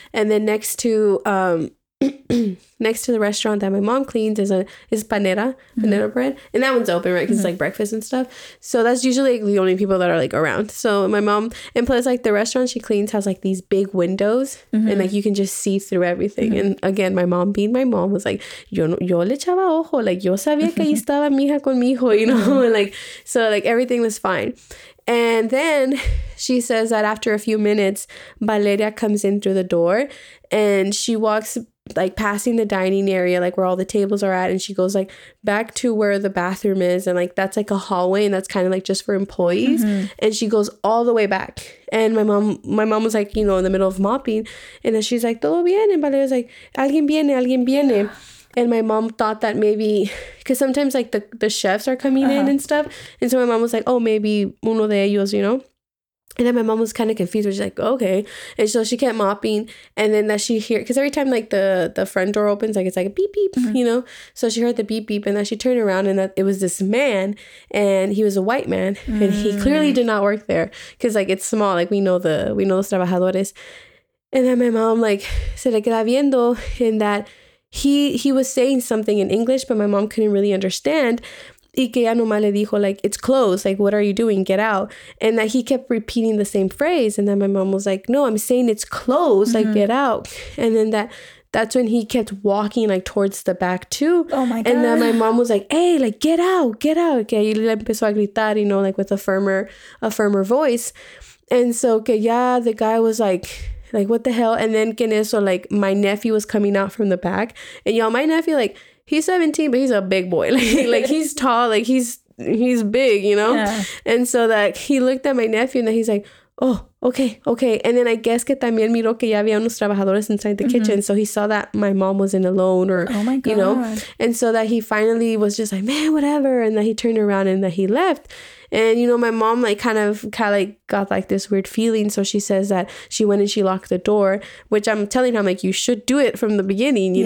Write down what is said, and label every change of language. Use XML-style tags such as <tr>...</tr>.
<en>And then next to next to the restaurant that my mom cleans is Panera, mm-hmm. Panera Bread. And that one's open, right? Because mm-hmm. it's, like, breakfast and stuff. So that's usually, like, the only people that are, like, around. So my mom, and plus, like, the restaurant she cleans has, like, these big windows. Mm-hmm. And, like, you can just see through everything. Mm-hmm. And, again, my mom being my mom was like,</en> <es>yo le echaba ojo. Like, yo sabía que ahí estaba mi hija con mi hijo,</es> <en>you know? Mm-hmm. And, like, so, like, everything was fine. And then she says that after a few minutes, Valeria comes in through the door. And she walks, like, passing the dining area, like, where all the tables are at, and she goes, like, back to where the bathroom is, and, like, that's, like, a hallway, and that's kind of, like, just for employees, mm-hmm. and she goes all the way back, and my mom was, like, you know, in the middle of mopping, and then she's, like,</en> <es>todo bien,</es> <en>and Valeria's, like,</en> <es>alguien viene,</es> <en>and my mom thought that maybe, because sometimes, like, the chefs are coming uh-huh. in and stuff, and so my mom was, like, oh, maybe</en> <es>uno de ellos,</es> <en>you know. And then my mom was kind of confused, but she's like, okay. And so she kept mopping. And then that she hear, because every time, like, the front door opens, like, it's like a beep, beep, mm-hmm. you know. So she heard the beep, beep. And then she turned around and that it was this man. And he was a white man. Mm-hmm. And he clearly did not work there. Because, like, it's small. Like, we know</en> <es>los trabajadores.</es> <en>And then my mom, like,</en> <es>se le queda viendo.</es> <en>And that he was saying something in English, but my mom couldn't really understand.</en> <es>Y que ya nomás le dijo,</es> <en>like, it's closed. Like, what are you doing? Get out. And that he kept repeating the same phrase. And then my mom was like, no, I'm saying it's closed. Mm-hmm. Like, get out. And then that's when he kept walking, like, towards the back, too. Oh, my God. And then my mom was like, hey, like, get out.</en> <es>Que ahí le empezó a gritar,</es> <en>you know, like, with a firmer voice. And so,</en> <es>que ya,</es> <en>the guy was like, what the hell? And then,</en> <es>que en eso,</es> <en>like, my nephew was coming out from the back. And, y'all, my nephew, like, he's 17, but he's a big boy. Like he's tall. Like, he's big, you know? Yeah. And so, like, he looked at my nephew, and then he's like, oh, okay. And then I guess</en> <es>que también miró que ya había unos trabajadores</es> <en>inside the mm-hmm. kitchen. So he saw that my mom was in alone or, oh my God. You know? And so that he finally was just like, man, whatever. And then he turned around and that he left. And, you know, my mom, like, kind of, like, got, like, this weird feeling. So she says that she went and she locked the door, which I'm telling her, I'm like, you should do it from the beginning, you</en>